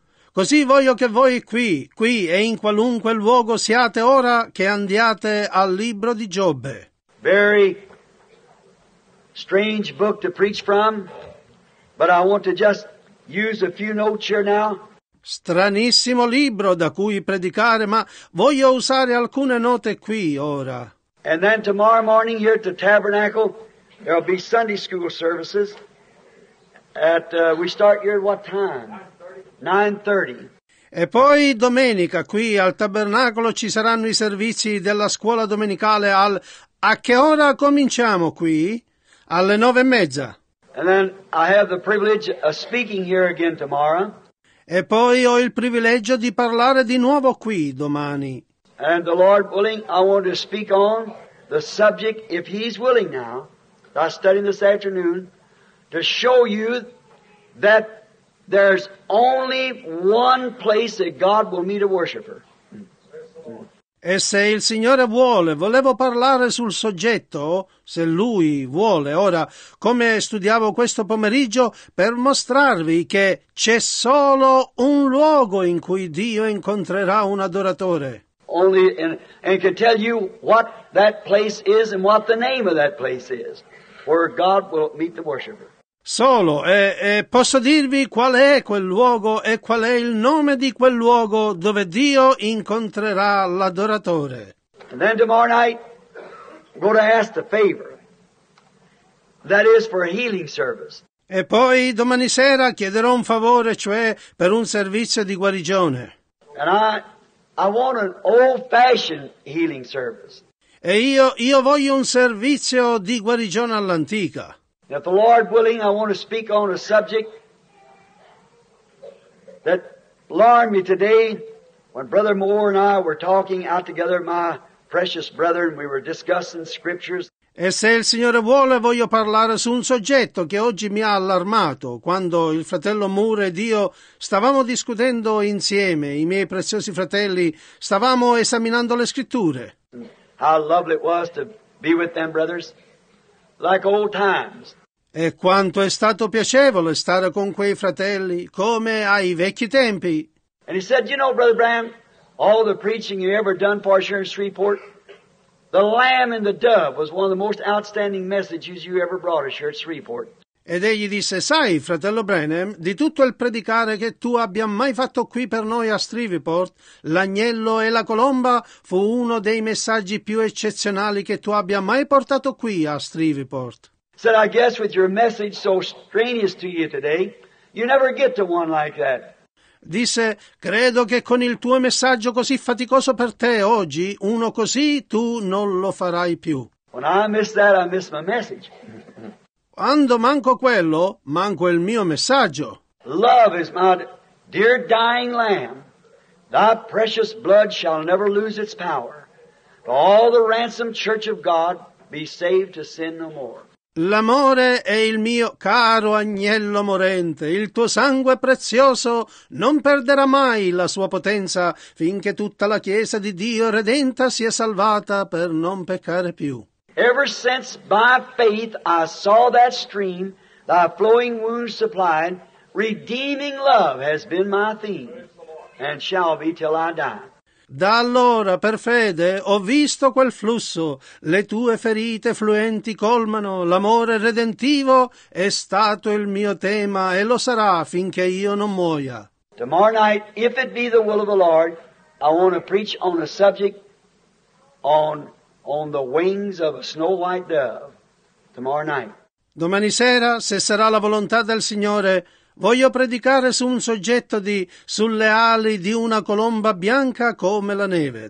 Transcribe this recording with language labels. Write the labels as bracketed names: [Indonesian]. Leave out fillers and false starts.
[Italian] Così voglio che voi qui e in qualunque luogo siate ora che andiate al libro di Giobbe. [English] Very strange book to preach from, but I want to just use a few notes here now. [Italian] Stranissimo libro da cui predicare, ma voglio usare alcune note qui ora. [English] And then tomorrow morning here at the tabernacle there will be Sunday school services. We start here at what time? 9:30. [Italian] E poi domenica qui al tabernacolo ci saranno i servizi della scuola domenicale a che ora cominciamo qui? Alle 9:30. [English] And then I have the privilege of speaking here again tomorrow. [Italian] E poi ho il privilegio di parlare di nuovo qui domani. [English] And the Lord willing, I want to speak on the subject, if He's willing now, by studying this afternoon, to show you that there's only one place that God will meet a worshiper. [Italian] E se il Signore vuole, volevo parlare sul soggetto, se Lui vuole, ora, come studiavo questo pomeriggio, per mostrarvi che c'è solo un luogo in cui Dio incontrerà un adoratore. [English] Only and can tell you what that place is and what the name of that place is, where God will meet the worshiper. [Italian] Solo, e posso dirvi qual è quel luogo e qual è il nome di quel luogo dove Dio incontrerà l'adoratore. [English] And then tomorrow night, we're going to ask the favor. That is for a healing service. [Italian] E poi domani sera chiederò un favore, cioè per un servizio di guarigione. [English] And I want an old-fashioned healing service. [Italian] E io voglio un servizio di guarigione all'antica. [English] If the Lord willing, I want to speak on a subject that alarmed me today when Brother Moore and I were talking out together, my precious brother, and we were discussing scriptures. [Italian] E se il Signore vuole, voglio parlare su un soggetto che oggi mi ha allarmato quando il fratello Moore ed io stavamo discutendo insieme, i miei preziosi fratelli, stavamo esaminando le scritture. [English] How lovely it was to be with them, brothers. Like old times. [Italian] E quanto è stato piacevole stare con quei fratelli come ai vecchi tempi. [English] And he said, you know, Brother Bram, all the preaching you ever done for us here in Shreveport, the lamb and the dove was one of the most outstanding messages you ever brought us here at Shreveport. [Italian] Ed egli disse, sai, fratello Branham, di tutto il predicare che tu abbia mai fatto qui per noi a Shreveport, l'agnello e la colomba fu uno dei messaggi più eccezionali che tu abbia mai portato qui a Shreveport. [English] Said, I guess with your message so strenuous to you today, you never get to one like that. [Italian] Disse, credo che con il tuo messaggio così faticoso per te oggi, uno così tu non lo farai più. [English] When I miss that, I miss my message. [Italian] Quando manco quello, manco il mio messaggio. [English] Love is my dear dying lamb. Thy precious blood shall never lose its power. All the ransomed church of God be saved to sin no more. [Italian] L'amore è il mio caro agnello morente. Il tuo sangue prezioso non perderà mai la sua potenza finché tutta la Chiesa di Dio redenta sia salvata per non peccare più. [English] Ever since by faith I saw that stream, thy flowing wounds supplied, redeeming love has been my theme, and shall be till I die. [Italian] Da allora, per fede, ho visto quel flusso, le tue ferite fluenti colmano, l'amore redentivo è stato il mio tema, e lo sarà finché io non muoia. [English] Tomorrow night, if it be the will of the Lord, I want to preach on a subject on the wings of a snow white dove tomorrow night. [Italian] Domani sera, se sarà la volontà del Signore, voglio predicare su un soggetto sulle ali di una colomba bianca come la neve.